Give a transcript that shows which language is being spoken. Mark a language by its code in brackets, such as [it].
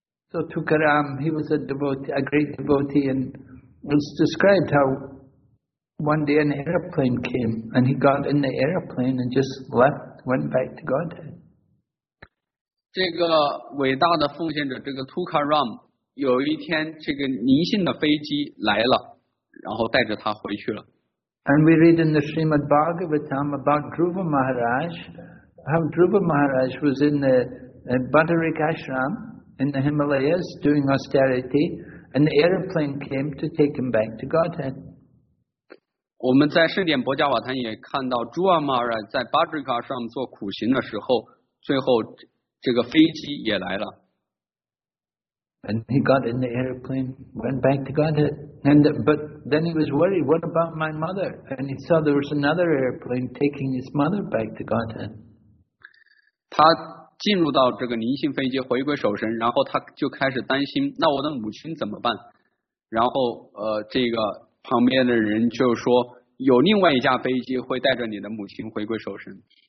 [en] So Tukaram, he was a devotee, a great devotee, and was described how one day an airplane came, and he got in the airplane and just left, went back to Godhead. [zh] 这个伟大的奉献者，这个 Tukaram, 有一天这个灵性的飞机来了，然后带着他回去了。 [en] And we read in the Srimad Bhagavatam about Dhruva Maharaj, how Dhruva Maharaj was in the Bhattarik Ashram in the Himalayas doing austerity, and the airplane came to take him back to Godhead. [zh] 我们在圣典博迦瓦坛也看到 Dhruva Maharaj 在 Bhattarik Ashram 做苦行的时候，最后这个飞机也来了。 [en] And he got in the airplane, went back to Godhead. But then he was worried, what about my mother? And he saw there was another airplane taking his mother back to Godhead. [zh] 他进入到这个灵性飞机回归守神，然后他就开始担心，那我的母亲怎么办？然后这个旁边的人就说，有另外一架飞机会带着你的母亲回归守神。